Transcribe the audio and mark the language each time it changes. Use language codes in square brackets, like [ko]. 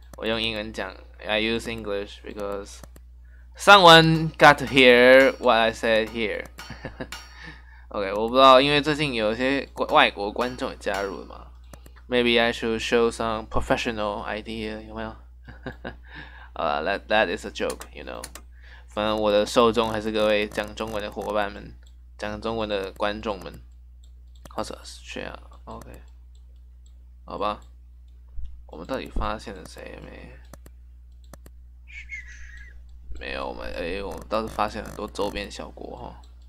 [zh] 我用英文讲， [en] I use English because someone got to hear what I said here. [zh] OK，我不知道，因为最近有一些外国观众也加入了嘛。 [en] Maybe I should show some professional idea， [zh] 有没有？好了， [en] that is a joke，you know。 [zh] 反正我的受众还是各位讲中文的伙伴们，讲中文的观众们。或者是这样，OK。好吧，我们到底发现了谁没？没有，我们倒是发现很多周边小国哈。